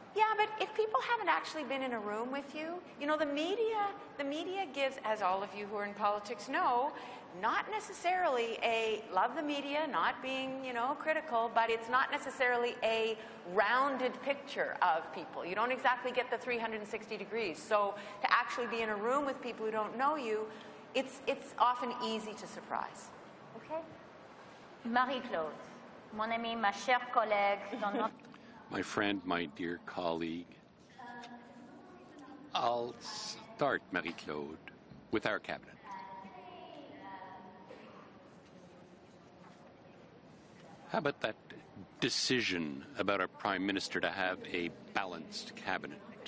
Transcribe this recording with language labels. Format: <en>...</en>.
<en>Yeah, but if people haven't actually been in a room with you, you know, the media gives, as all of you who are in politics know, not necessarily a, love the media, not being, you know, critical, but it's not necessarily a rounded picture of people. You don't exactly get the 360 degrees. So to actually be in a room with people who don't know you, it's often easy to surprise. Okay.</en> <fr>Marie-Claude, mon ami, ma chère collègue, dans notre...</fr> <en>My friend, my dear colleague, I'll start, Marie-Claude, with our cabinet. How about that decision about our Prime Minister to have a balanced cabinet?</en>